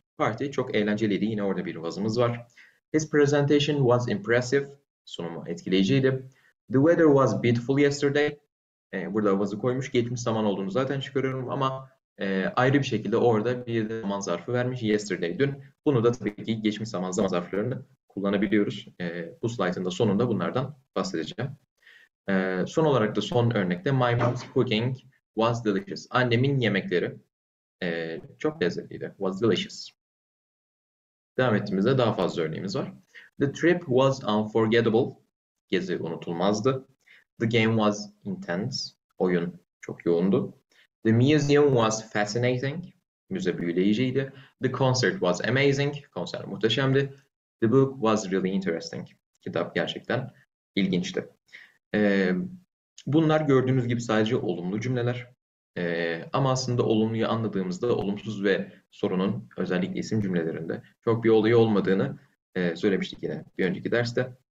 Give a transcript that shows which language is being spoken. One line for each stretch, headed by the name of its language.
Turkish: Party çok eğlenceliydi. Yine orada bir was'ımız var.
English: His presentation was impressive.
Turkish: Sunumu etkileyiciydi.
English: The weather was beautiful yesterday.
Turkish: Burada was'ı koymuş. Geçmiş zaman olduğunu zaten çıkarıyorum ama ayrı bir şekilde orada bir zaman zarfı vermiş. Yesterday, dün. Bunu da tabii ki geçmiş zaman zarflarını kullanabiliyoruz. Bu slaytın da sonunda bunlardan bahsedeceğim. Son olarak da son örnekte
English: My mom's cooking was delicious.
Turkish: Annemin yemekleri çok lezzetliydi.
English: Was delicious.
Turkish: Devam ettiğimizde daha fazla örneğimiz var.
English: The trip was unforgettable.
Turkish: Gezi unutulmazdı.
English: The game was intense.
Turkish: Oyun çok yoğundu.
English: The museum was fascinating.
Turkish: Müze büyüleyiciydi.
English: The concert was amazing.
Turkish: Konser muhteşemdi.
English: The book was really interesting.
Turkish: Kitap gerçekten ilginçti. Bunlar gördüğünüz gibi sadece olumlu cümleler. Ama aslında olumluyu anladığımızda olumsuz ve sorunun özellikle isim cümlelerinde çok bir olayı olmadığını söylemiştik yine bir önceki derste.